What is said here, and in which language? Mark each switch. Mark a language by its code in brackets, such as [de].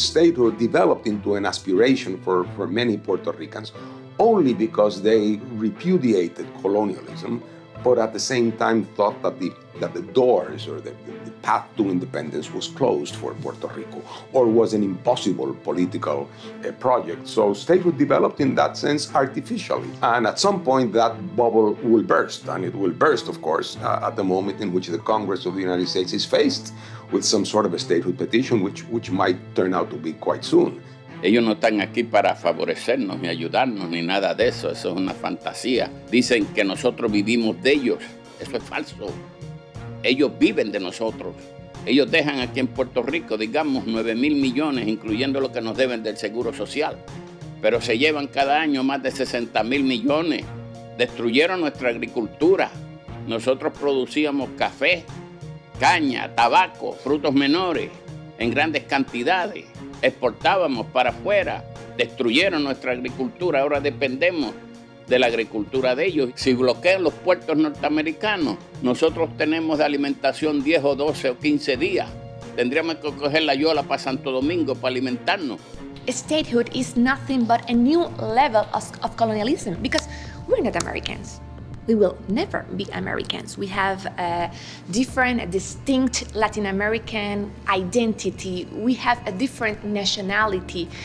[en] Statehood developed into an aspiration for many Puerto Ricans only because they repudiated colonialism, but at the same time thought that the doors or the path to independence was closed for Puerto Rico or was an impossible political project. So statehood developed in that sense artificially. And at some point that bubble will burst, and it will burst, of course, at the moment in which the Congress of the United States is faced with some sort of a statehood petition, which might turn out to be quite soon. [es] Ellos no están aquí para favorecernos, ni ayudarnos, ni nada de eso. Eso es una fantasía. Dicen que nosotros vivimos de ellos. Eso es falso. Ellos viven de nosotros. Ellos dejan aquí en Puerto Rico, digamos, 9,000 millones, incluyendo lo que nos deben del Seguro Social. Pero se llevan cada año más de 60,000 millones. Destruyeron nuestra agricultura. Nosotros producíamos café, caña, tabaco, frutos menores, en grandes cantidades. Exportábamos para afuera, destruyeron nuestra agricultura, ahora dependemos de la agricultura de ellos. Si bloquean los puertos norteamericanos, nosotros tenemos de alimentación 10 o 12 o 15 días. Tendríamos que coger la yola para Santo Domingo para alimentarnos. [en] Statehood is nothing but a new level of colonialism, because we're not Americans. We will never be Americans. We have a different, a distinct Latin American identity. We have a different nationality.